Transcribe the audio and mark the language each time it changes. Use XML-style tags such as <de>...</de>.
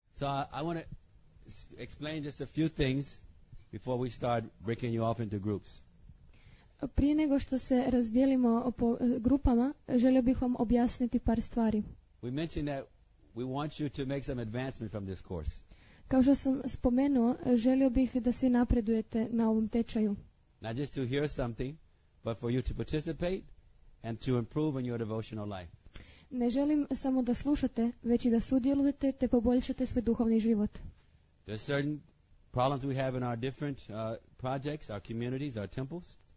<en>So I want to explain just a few things before we start breaking you off into groups.</en> <hr>Prije nego što se razdijelimo po grupama, želio bih vam objasniti par stvari.</hr> <en>We mentioned that we want you to make some advancement from this course.</en> <hr>Kao što sam spomenuo, želio bih da svi napredujete na ovom tečaju.</hr> <en>Not just to hear something, but for you to participate and to improve in your devotional life.</en> <hr>Ne želim samo da slušate, već i da sudjelujete te poboljšate svoj duhovni život.</hr> <en>There are certain problems we have in our different projects, our communities, our temples.</en>